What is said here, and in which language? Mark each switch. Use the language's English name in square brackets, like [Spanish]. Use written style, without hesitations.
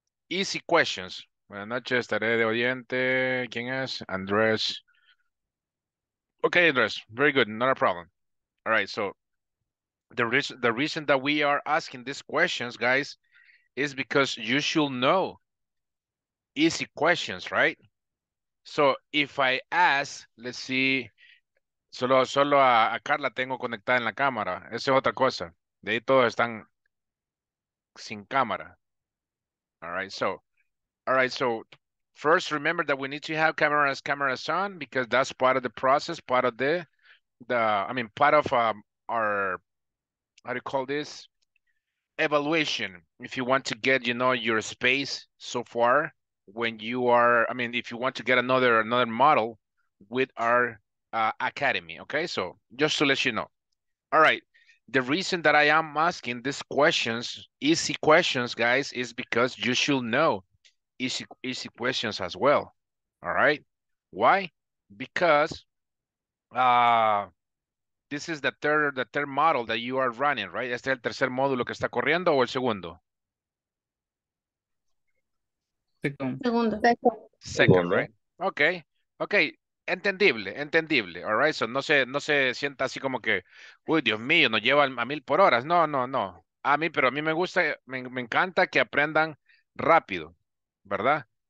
[English] Easy questions. [Spanish] Buenas noches, tarea de oyente. ¿Quién es? [English] Andrés. Okay, Andrés. Very good. Not a problem. All right. So the reason that we are asking these questions, guys, is because you should know easy questions, right? So if I ask, let's see, [Spanish] solo a Carla tengo conectada en la cámara. Esa es otra cosa. De ahí todos están sin cámara. [English] All right, so first remember that we need to have cameras on, because that's part of the process, part of our, how do you call this, evaluation. If you want to get, you know, your space so far, when you are, I mean, if you want to get another model with our academy, okay? So just to let you know. All right, the reason that I am asking these questions, easy questions, guys, is because you should know easy questions as well. All right, why? Because this is the third model that you are running, right? [Spanish] Este es el tercer módulo que está corriendo, o el segundo. [English] Second, right? Okay, entendible. All right, so [Spanish] no se sienta así como que, uy, Dios mío, nos lleva a 1000 por hora. No, a mí me gusta, me encanta que aprendan rápido, ¿verdad?